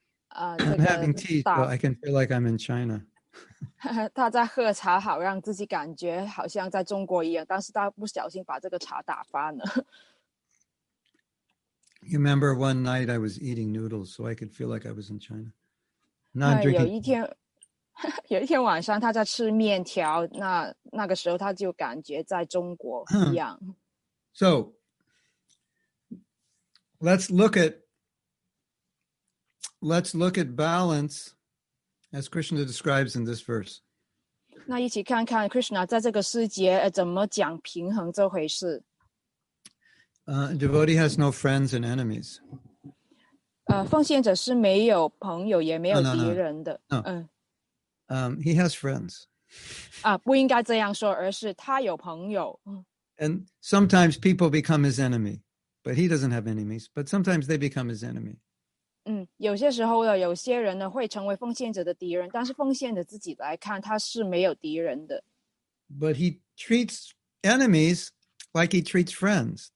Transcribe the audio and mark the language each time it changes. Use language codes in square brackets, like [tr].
[en] I'm having tea, so I can feel like I'm in China. [zh] 他在喝茶好，让自己感觉好像在中国一样，但是他不小心把这个茶打翻了。 [en] You remember one night I was eating noodles, so I could feel like I was in China. [zh] 有一天, 有一天晚上他在吃面条, 那个时候他就感觉在中国一样。 [en] So, let's look at balance as Krishna describes in this verse. [zh] 那一起看看Krishna在这个世界怎么讲平衡这回事。 [en] Devotee has no friends and enemies. [zh] 奉献者是没有朋友也没有敌人的。 [en] He has friends. [zh] 不应该这样说, 而是他有朋友。 [en] And sometimes people become his enemy, but he doesn't have enemies, but sometimes they become his enemy. [zh] 有些时候有些人会成为奉献者的敌人, 但是奉献者自己来看, 他是没有敌人的。 [en] But he treats enemies like he treats friends.